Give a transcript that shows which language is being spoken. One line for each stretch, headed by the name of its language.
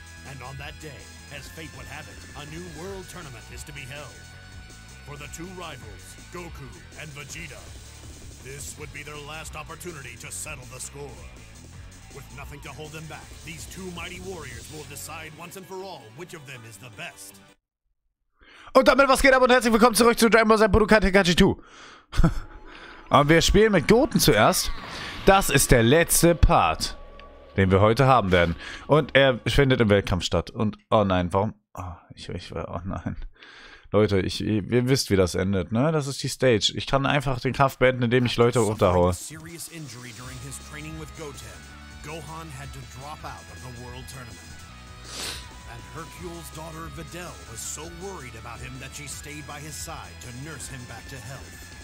English: And on that day, as fate would have it, a new world tournament is to be held. For the two rivals, Goku and Vegeta, this would be their last opportunity to settle the score. With nothing to hold them back, these two mighty warriors will decide once and for all which of them is the best.
German: Und damit, was geht ab und herzlich willkommen zurück zu Dragon Ball Z Budokai Tenkaichi 2. Aber wir spielen mit Goten zuerst. Das ist der letzte Part, den wir heute haben werden. Und er findet im Weltkampf statt. Und, oh nein, warum? Oh nein. Leute, ihr wisst, wie das endet, ne? Das ist die Stage. Ich kann einfach den Kampf beenden, indem ich Leute unterhaue.
English: Serious injury during his training with Goten, Gohan had to drop out of the world tournament. And Hercule's daughter Videl was so worried about him that she stayed by his side to nurse him back to health.